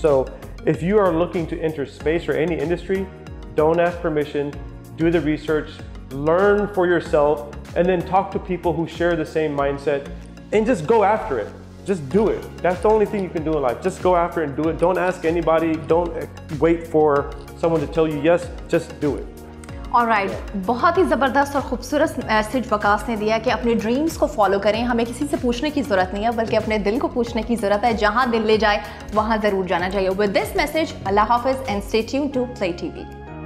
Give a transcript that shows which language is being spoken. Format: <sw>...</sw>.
<en>So if you are looking to enter space or any industry, don't ask permission. Do the research. Learn for yourself. And then talk to people who share the same mindset and just go after it. Just do it. That's the only thing you can do in life. Just go after it and do it. Don't ask anybody. Don't wait for someone to tell you yes. Just do it. All right.</en> <hi>बहुत ही ज़बरदस्त और खूबसूरत message Waqas ने दिया कि अपने dreams को follow करें. हमें किसी से पूछने की ज़रूरत नहीं है बल्कि अपने दिल को पूछने की ज़रूरत है. जहाँ दिल ले जाए वहाँ ज़रूर जाना चाहिए.</hi> <en>With this message, Allah Hafiz and stay tuned to Play TV.</en>